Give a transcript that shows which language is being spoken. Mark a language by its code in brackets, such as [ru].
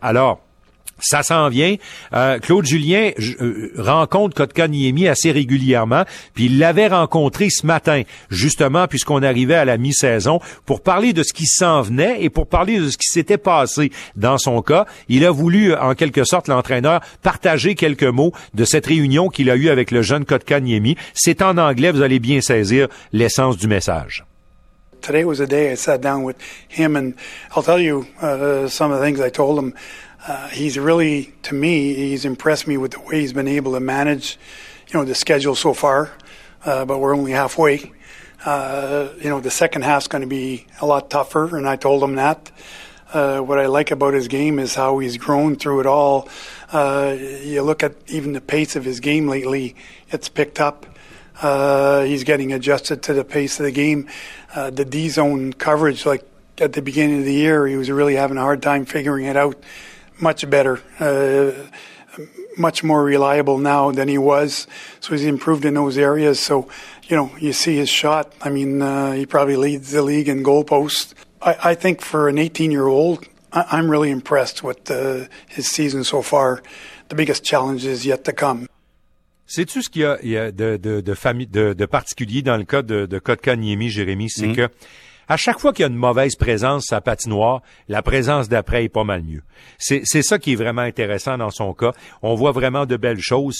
[fr] Alors, ça s'en vient. Claude Julien rencontre Kotkaniemi assez régulièrement, puis il l'avait rencontré ce matin, justement, puisqu'on arrivait à la mi-saison, pour parler de ce qui s'en venait et pour parler de ce qui s'était passé dans son cas. Il a voulu, en quelque sorte, l'entraîneur, partager quelques mots de cette réunion qu'il a eue avec le jeune Kotkaniemi. C'est en anglais, vous allez bien saisir l'essence du message. [en] Today was the day I sat down with him and I'll tell you some of the things I told him. He's really, to me, he's impressed me with the way he's been able to manage, you know, the schedule so far, but we're only halfway. You know, the second half's going to be a lot tougher, and I told him that. What I like about his game is how he's grown through it all. You look at even the pace of his game lately, it's picked up. He's getting adjusted to the pace of the game. The D-zone coverage, like at the beginning of the year, he was really having a hard time figuring it out. Much better, much more reliable now than he was. So he's improved in those areas. So, you know, you see his shot. I mean, he probably leads the league in goalposts. I think for an 18-year-old, I'm really impressed with his season so far. The biggest challenge is yet to come. [fr] Sais-tu ce qu'il y a de particulier dans le cas de Kotkaniemi, Jérémy? C'est que À chaque fois qu'il y a une mauvaise présence à patinoire, la présence d'après est pas mal mieux. C'est ça qui est vraiment intéressant dans son cas. On voit vraiment de belles choses.